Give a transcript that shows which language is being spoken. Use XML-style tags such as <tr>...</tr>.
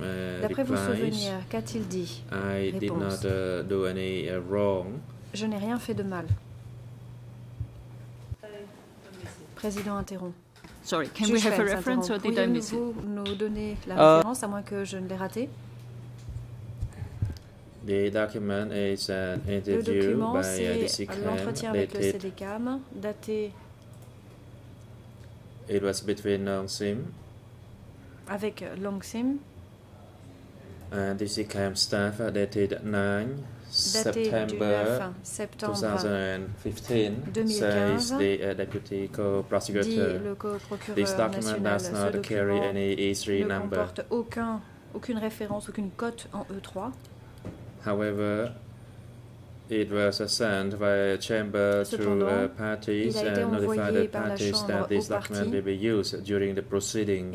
<fr>replies, d'après vos souvenirs, qu'a-t-il dit?</fr> <en>I did not do any wrong.</en> <fr>Je n'ai rien fait de mal. Président interrompt.</fr> <en>Sorry, can we have a reference or did I miss it?</en> <fr>Pouvez-vous nous donner la référence, à moins que je ne l'ai raté?</fr> <en>The document is an interview by DC Cam,</en> <fr>l'entretien avec le CDCAM, daté.</fr> <en>It was between Nong Sim.</en> <fr>Avec Nong Sim.</fr> <en>And DC Cam staff dated 9 September 2015, says the deputy co-prosecutor. This document national, does not carry any E3 number.</en> <fr>Ne comporte aucune référence, aucune cote en E3.</fr> <en>However, it was sent by a chamber to parties and notified the parties that this document will be used during the proceedings.</en>